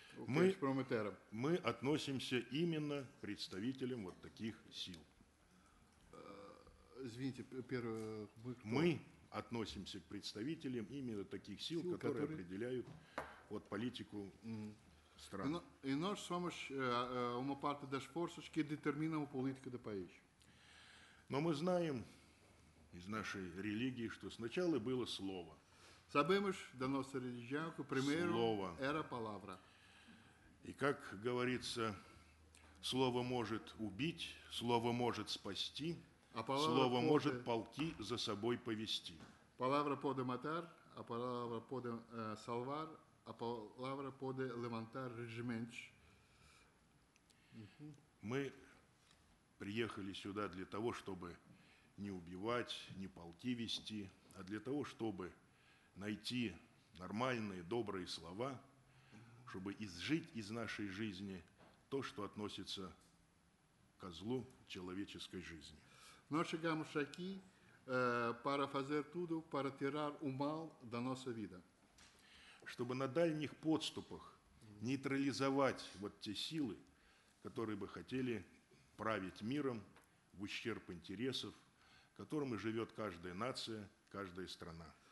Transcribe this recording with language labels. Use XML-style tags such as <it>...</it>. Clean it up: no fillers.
<ru>Мы относимся именно к представителям вот таких сил. Извините, мы относимся к представителям именно таких сил, которые определяют вот политику стран. И наш самыш,</ru> <pt>uma parte das forças que determinam a política do país.</pt> <ru>Но мы знаем из нашей религии, что сначала было слово.</ru> <pt>Sabemos da nossa religião que primeiro era a palavra.</pt> <ru>И как говорится, слово может убить, слово может спасти, а слово может полки за собой повести.</ru> <pt>Palavra pode matar, a palavra pode salvar, a palavra pode levantar regimentos.</pt> <ru>Мы приехали сюда для того, чтобы не убивать, не полки вести, а для того, чтобы найти нормальные, добрые слова, чтобы изжить из нашей жизни то, что относится ко злу человеческой жизни.</ru> <pt>Nós chegamos aqui para fazer tudo, para tirar o mal da nossa vida.</pt> <ru>Чтобы на дальних подступах нейтрализовать вот те силы, которые бы хотели править миром в ущерб интересов, которым и живет каждая нация, каждая страна.</ru>